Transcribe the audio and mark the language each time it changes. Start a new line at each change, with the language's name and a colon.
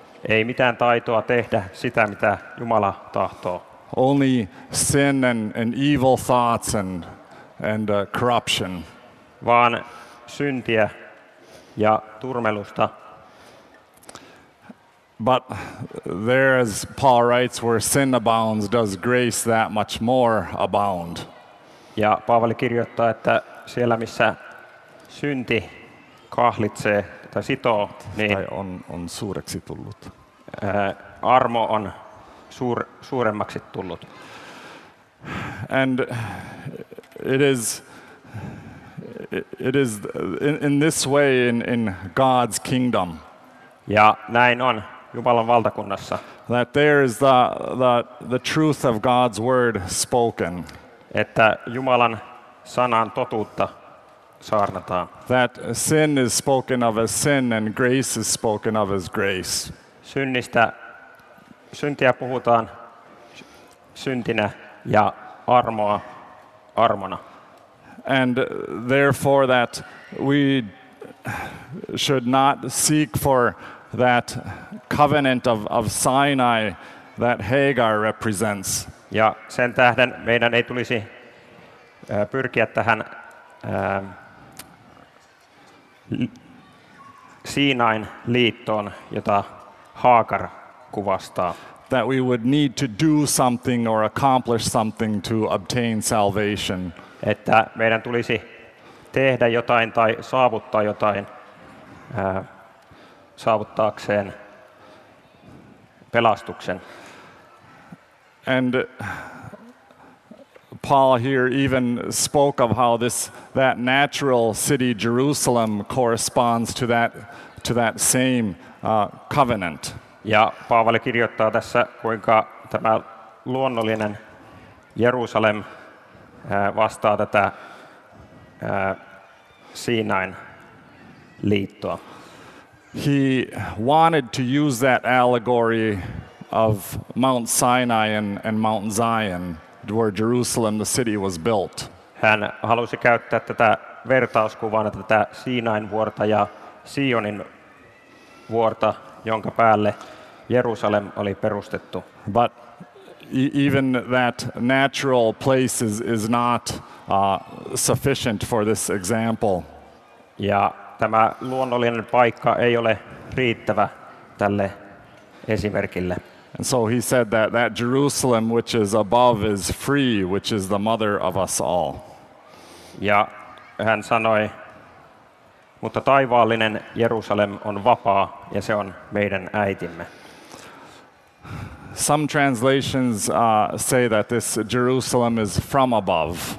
Finnish: Ei mitään taitoa tehdä sitä mitä Jumala tahtoo.
English: Only sin and evil thoughts and corruption.
Finnish: Vaan syntiä ja turmelusta.
English: But there, as Paul writes, where sin abounds, does grace that much more abound.
Finnish: Ja Paavali kirjoittaa, että siellä missä synti kahlitsee tai sitoo, niin tai on suureksi tullut. Armo on suuremmaksi tullut.
English: And it is in this way in God's kingdom.
Finnish: Ja näin on Jumalan valtakunnassa.
English: That there is the truth of God's word spoken.
Finnish: Että Jumalan sanan totuutta saarnataan.
English: That sin is spoken of as sin and grace is spoken of as grace.
Finnish: Syntiä puhutaan syntinä ja armoa armona.
English: And therefore that we should not seek for that covenant of Sinai that Hagar represents.
Finnish: Ja sen tähden meidän ei tulisi pyrkiä tähän Siinain liittoon, jota Hagar kuvastaa.
English: That we would need to do something or accomplish something to obtain salvation.
Finnish: Että meidän tulisi tehdä jotain tai saavuttaa jotain saavuttaakseen pelastuksen.
English: And Paul here even spoke of how that natural city Jerusalem corresponds to that same covenant.
Finnish: Ja Paavali kirjoittaa tässä, kuinka tämä luonnollinen Jerusalem vastaa tätä Siinain liittoa.
English: He wanted to use that allegory of Mount Sinai and Mount Zion, where Jerusalem, the city, was built.
Finnish: Hän halusi käyttää tätä vertauskuvaa, tätä Siinain vuorta ja Sionin vuorta, jonka päälle Jerusalem oli perustettu.
English: But even that natural place is not sufficient for this example.
Finnish: Ja tämä luonnollinen paikka ei ole riittävä tälle esimerkille.
English: And so he said that Jerusalem which is above is free, which is the mother of us all.
Finnish: Ja hän sanoi, mutta taivaallinen Jerusalem on vapaa ja se on meidän äitimme.
English: Some translations say that this Jerusalem is from above.